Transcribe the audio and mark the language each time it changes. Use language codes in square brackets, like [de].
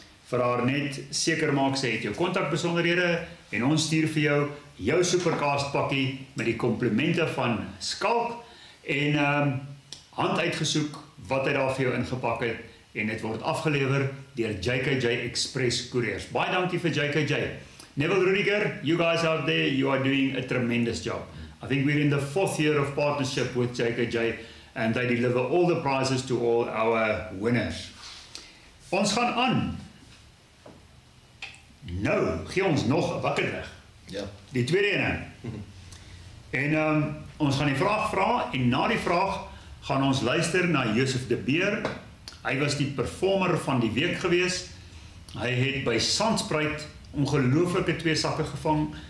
[af] Vir haar net seker maak sy het jou kontakbesonderhede en ons stuur vir jou Supercast pakkie met die komplimente van Skalk en hand uitgesoek wat hy daar vir jou ingepak het en dit word afgelever deur JKJ Express Couriers. Baie dankie vir JKJ. [en] Neville Rudiger, you guys out there, you are doing a tremendous job. I think we're in the fourth year of partnership with JKJ and they deliver all the prizes to all our winners. [af] Ons gaan aan. Nou, gee ons nog 'n wakker weg. Ja. Die tweede ene. En ons gaan die vraag vra en na die vraag gaan ons luister na Josef de Beer. Hy was die performer van die week gewees. Hy het by Sandspruit ongelooflike twee sakke gevang.